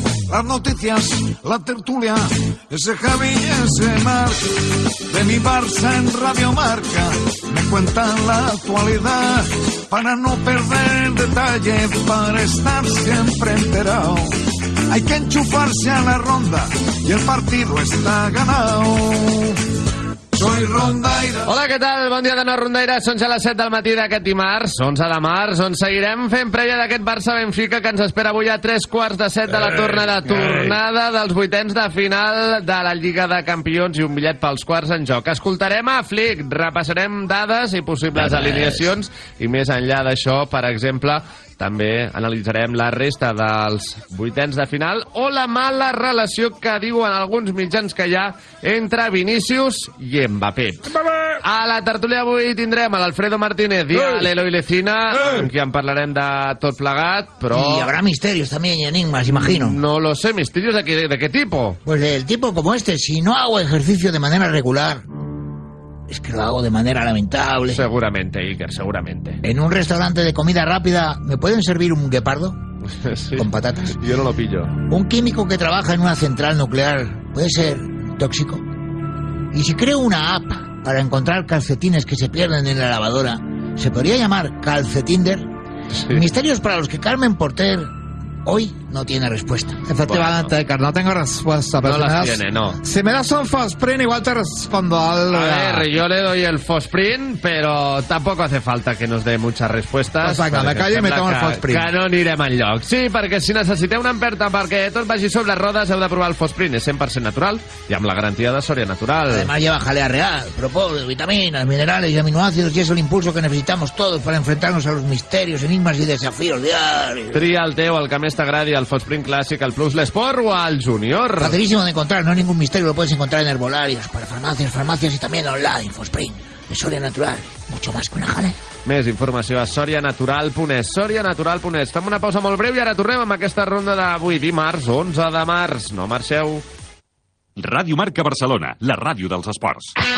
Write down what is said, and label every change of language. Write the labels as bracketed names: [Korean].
[Spanish] Las noticias, la tertulia, ese Javi y ese Marc, de mi Barça en Radio Marca, me cuentan la actualidad, para no perder el detalle, para estar siempre enterado. Hay que enchufarse a La Ronda, y el partido está ganado. Soy rondaira. [Catalan] Hola, què tal? Bon dia de nou, rondaira. Són ja les 7 del matí d'aquest dimarts, 11 de març, on seguirem fent prèvia d'aquest Barça-Benfica que ens espera avui a 6:45 de la tornada dels vuitens de final de la Lliga de Campions i un bitllet pels quarts en joc. Escoltarem a Flick, repassarem dades i possibles alineacions i més enllà d'això, per exemple, també analitzarem la resta dels vuitens de final o la mala relació que diuen alguns mitjans que hi ha entre Vinícius i Mbappé. A la tertúlia avui tindrem l'Alfredo Martínez i l'Eloi Lecina, amb qui en parlarem de tot plegat, però... [Spanish] Y habrá misterios también y enigmas, imagino. No lo sé, misterios de qué tipo. Pues del tipo como este, si no hago ejercicio de manera regular... Es que lo hago de manera lamentable. Seguramente, Iker, seguramente. En un restaurante de comida rápida, ¿me pueden servir un guepardo? Sí. Con patatas. Yo no lo pillo. Un químico que trabaja en una central nuclear, ¿puede ser tóxico? Y si creo una app para encontrar calcetines que se pierden en la lavadora, ¿se podría llamar Calcetinder? Sí. Misterios para los que Carmen Porter hoy no tiene respuesta. Efectivamente, bueno, Edgar, no tengo respuesta. Pero no si las das, tiene, no. Si me das un Fosprin, igual te respondo algo. A ver, yo le doy el Fosprin, pero tampoco hace falta que nos dé muchas respuestas. Pues venga, me callo i me tomo el Fosprin. [Catalan] Que no anirem enlloc. Sí, perquè si necessiteu una emperta perquè tot vagi sobre les rodes, heu de provar el Fosprin. És 100% natural i amb la garantia de Soria Natural. [Spanish] Además, lleva jalea real, propóleo, vitaminas, minerales y aminoácidos, y es el impulso que necesitamos todos para enfrentarnos a los misterios, enigmas y desafíos diarios. [Catalan] Tria el teu, el que més t'agradi, el Fosprin Clàssic, el Plus, l'Esport o el Junior. [Spanish] Facilísimo de encontrar, no hay ningún misterio, lo puedes encontrar en herbolarios, para farmacias, farmacias y también online. Fosprin, de Soria Natural, mucho más que una jalea. [Catalan] Més informació a sorianatural.es. sorianatural.es. Fem una pausa molt breu i ara tornem amb aquesta ronda d'avui, dimarts, 11 de març. No marxeu. Ràdio Marca Barcelona, la ràdio dels esports.